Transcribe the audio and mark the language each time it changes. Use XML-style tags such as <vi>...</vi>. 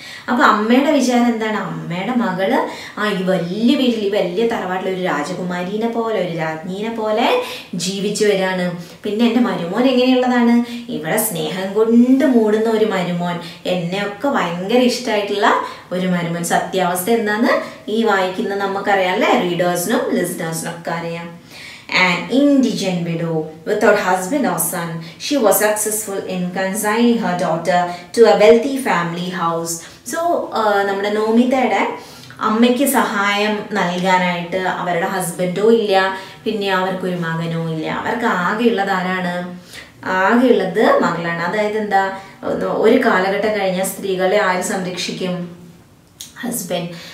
<ml>അപ്പൊ അമ്മയുടെ വിചാരം എന്താണ്? അമ്മയുടെ മകള് ആ ഈ വലിയ വീട്ടിൽ ഈ വലിയ തറവാട്ടിൽ ഒരു രാജകുമാരീനെ പോലെ ഒരു രാജ്ഞീനെ പോലെ ജീവിച്ചു വരാണ്. പിന്നെ എൻ്റെ മരുമോൻ എങ്ങനെയുള്ളതാണ്? ഇവിടെ സ്നേഹം കൊണ്ട് മൂടുന്ന ഒരു മരുമോൻ, എന്നെയൊക്കെ ഭയങ്കര ഇഷ്ടമായിട്ടുള്ള ഒരു മരുമോൻ. സത്യാവസ്ഥ എന്താന്ന് ഈ വായിക്കുന്നത് നമുക്കറിയാം അല്ലേ, റീഡേഴ്സിനും ലിസ്ണേഴ്സിനും ഒക്കെ അറിയാം.</ml> <en>An indigent widow without husband or son, she was successful in consigning her daughter to a wealthy family house.</en> <ml>So, നമ്മുടെ നോമിതയുടെ അമ്മയ്ക്ക് സഹായം നൽകാനായിട്ട് അവരുടെ ഹസ്ബൻഡോ ഇല്ല, പിന്നെ അവർക്കൊരു മകനോ ഇല്ല. അവർക്ക് ആകെയുള്ളത് ആരാണ്? ആകെയുള്ളത് മകളാണ്. അതായത് എന്താ, ഒരു കാലഘട്ടം കഴിഞ്ഞ സ്ത്രീകളെ ആര് സംരക്ഷിക്കും? ഹസ്ബൻഡ്.</ml>